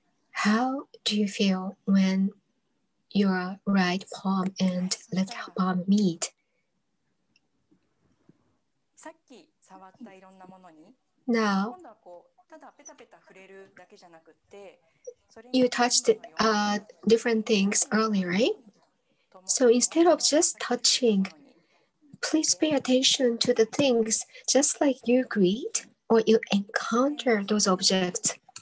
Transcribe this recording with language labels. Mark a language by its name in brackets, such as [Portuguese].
[English] How do you feel when your right palm and left palm meet? [Japanese] さっき触ったいろんなものに、 [English] Now, [Japanese] 今度はこうただペタペタ触れるだけじゃなくて、 [English] You touched different things earlier, right? So instead of just touching, please pay attention to the things just like you greet or you encounter those objects.